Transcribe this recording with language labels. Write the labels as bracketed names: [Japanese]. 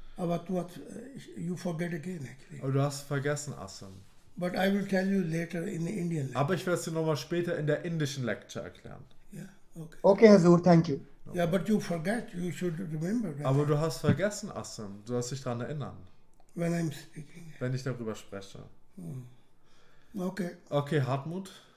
[German] Aber du hast, [English] you forget again, actually. [German] Aber du hast vergessen, Asim. [English] But I will tell you later in the Indian lecture. [German] Aber ich werde es dir nochmal später in der indischen Lecture erklären. [English] Yeah, okay. Okay, Hazur, thank you. No. Yeah, but you forget, you should remember. [German] Right? Aber du hast vergessen, Asim. Du hast dich daran erinnern. [English] When I'm speaking. [German] Wenn ich darüber spreche. Hmm. Okay. Okay, Hartmut.